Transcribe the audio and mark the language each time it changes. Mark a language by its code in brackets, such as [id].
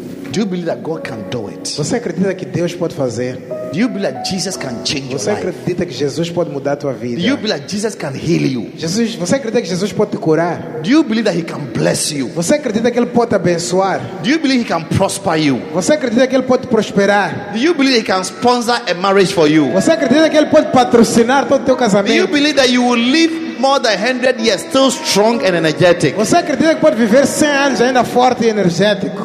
[en] Do you believe that God can do it? [pt] Você acredita que Deus pode fazer? [en] Do you believe that Jesus can change your life? [pt] Você acredita que Jesus pode mudar a tua vida? [en] Do you believe that Jesus can heal you? [pt] Jesus, você acredita que Jesus pode te curar? [en] Do you believe that he can bless you? [pt] Você acredita que ele pode te abençoar? [en] Do you believe he can prosper you? [pt] Você acredita que ele pode prosperar? [en] Do you believe he can sponsor a marriage for you? [pt] Você acredita que ele pode patrocinar todo teu casamento? [en] Do you believe that you will live more than 100 years still strong and energetic? [pt] Você acredita que pode viver 100 anos ainda forte e energético?